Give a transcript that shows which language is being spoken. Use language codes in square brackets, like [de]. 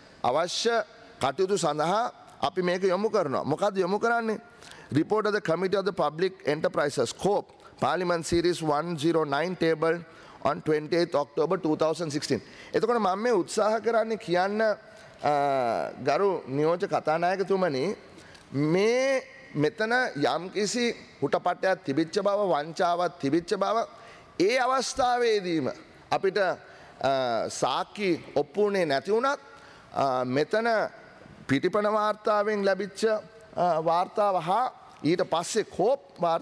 [si] අවශ්‍ය කටයුතු සඳහා අපි මේක යොමු කරනවා. මොකද යොමු කරන්නේ? [en] Report of the Committee of the Public Enterprises Scope, Parliament Series 109 table on 20th October 2016. [si] එතකොට මම මේ උත්සාහ කරන්නේ කියන්න ගරු නියෝජ්‍ය කතානායකතුමනි, මේ මෙතන යම්කිසි හුටපටයක් තිබිච්ච බව, වංචාවක් තිබිච්ච බව ඒ අවස්ථාවේදීම අපිට සාක්කි ඔප්පුනේ නැති වුණත් මෙතන පිටිපන වාර්තාවෙන් ලැබිච්ච වාර්තාව හා ඊට පස්සේ කෝප්